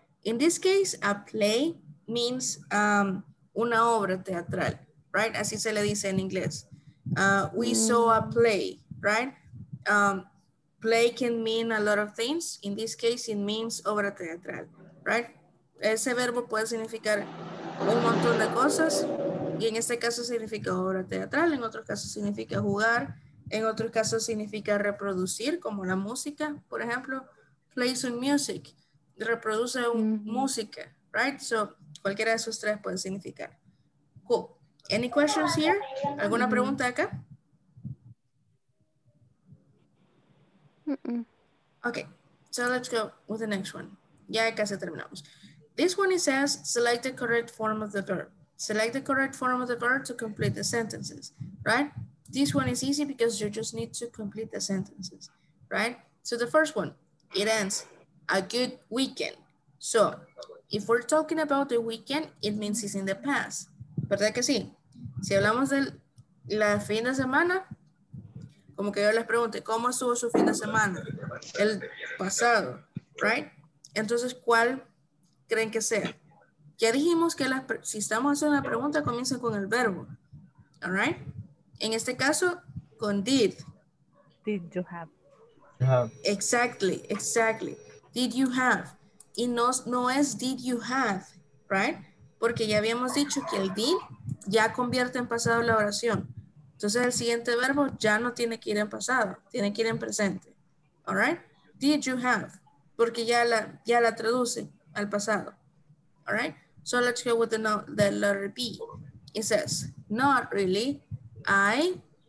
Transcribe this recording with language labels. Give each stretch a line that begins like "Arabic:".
English: In this case, a play means
Spanish: una obra teatral,
English: right?
Spanish: Así se le dice en inglés.
English: We saw a play, right? Play can mean a lot of things. In this case, it means
Spanish: obra teatral,
English: right?
Spanish: Ese verbo puede significar un montón de cosas. Y en este caso significa obra teatral. En otros casos significa jugar. En otros casos significa reproducir, como la música, por ejemplo.
English: Play some music.
Spanish: Reproduce música,
English: right?
Spanish: So, cualquiera de esos tres puede significar. Cool.
English: Any questions here?
Spanish: ¿Alguna pregunta acá?
English: Okay, so let's go with the next one.
Spanish: Ya casi terminamos.
English: This one, it says, select the correct form of the verb. Select the correct form of the verb to complete the sentences, right? This one is easy because you just need to complete the sentences, right? So the first one, it ends, a good weekend. So if we're talking about the weekend, it means it's in the past.
Spanish: ¿Verdad que sí? Si hablamos de la fin de semana, como que yo les pregunte, ¿cómo estuvo su fin de semana? El pasado, right? Entonces, ¿cuál creen que sea? Ya dijimos que si estamos haciendo una pregunta, comienza con el verbo,
English: all right?
Spanish: En este caso, con did.
English: Did you have? Exactly, exactly. Did you have?
Spanish: Y no, no es
English: did you have, right?
Spanish: Porque ya habíamos dicho que el did ya convierte en pasado la oración. Entonces el siguiente verbo ya no tiene que ir en pasado, tiene que ir en presente.
English: All right? Did you have?
Spanish: Porque ya la traduce al pasado.
English: All right? So let's go with the letter B. It says, not really. I.